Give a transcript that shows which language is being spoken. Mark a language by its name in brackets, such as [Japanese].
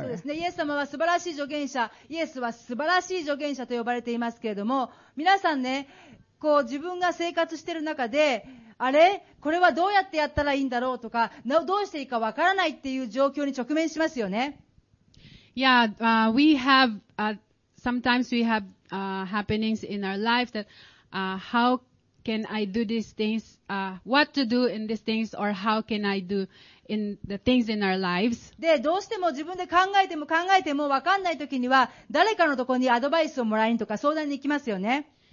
[Japanese] そうですね。イエス様は素晴らしい助言者。イエスは素晴らしい助言者と呼ばれていますけれども、皆さんね、こう自分が生活している中で、あれ？これはどうやってやったらいいんだろうとか、どうしていいかわからないっていう状況に直面しますよね。 [English] Yeah, we have, sometimes we have, happenings in our life that, how can I do these things, what to do in these things or how can I do in the things in our lives. [Japanese] で、どうしても自分で考えてもわかんないときには、誰かのところにアドバイスをもらいにとか相談に行きますよね。